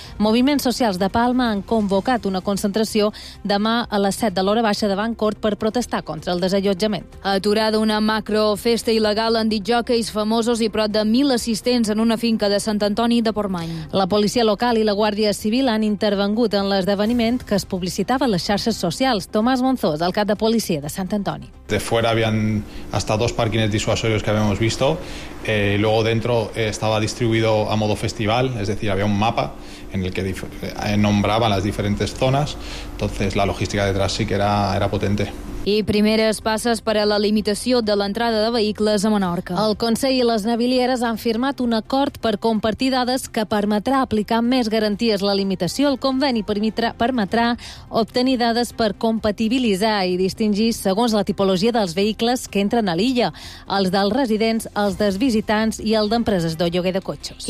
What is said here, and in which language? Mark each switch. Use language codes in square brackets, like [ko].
[ca] Moviment Social de Palma han convocat una concentració demà a les 7 de l'hora baixa davant Cort per protestar contra el desallotjament. Aturada una macrofesta il·legal en discjòqueis famosos i prop de 1.000 assistents en una finca de Sant Antoni de Portmany. La policia local i la Guàrdia Civil han intervengut en l'esdeveniment que es publicitava a les xarxes socials. Tomàs Monzós, el cap de policia de Sant Antoni. [es] De fuera habían hasta 2 parkings disuasorios que habíamos visto. Luego dentro estaba distribuido a modo festival, es decir, había un mapa en el que nombraba las diferentes zonas. Entonces la logística detrás sí que era potente. [ca] I primeres passes per a la limitació de l'entrada de vehicles a Menorca. El Consell i les navilieres han firmat un acord per compartir dades que permetrà aplicar més garanties la limitació. El conveni permetrà obtenir dades per compatibilitzar i distingir segons la tipologia dels vehicles que entren a l'illa, els dels residents, els dels visitants i el d'empreses de lloguer de cotxes.